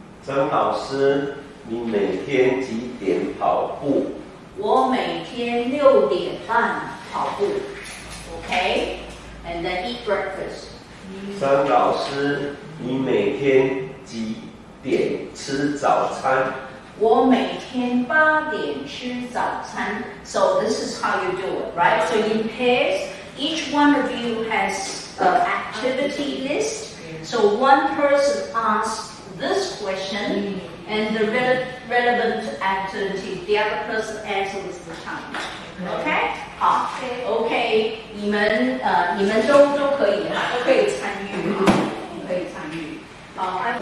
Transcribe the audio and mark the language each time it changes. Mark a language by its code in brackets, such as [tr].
[zh] 张老师，你每天几点跑步？我每天六点半跑步。Okay. [en] And then eat breakfast. [zh] 张老师，你每天几点吃早餐？我每天八点吃早餐。 [en] So this is how you do it, right? So in pairs, each one of you has an activity list. So one person asks this question, and the relevant activity, the other person answers the time. Okay, 好 okay. [zh] 你们都可以，都可以参与啊，。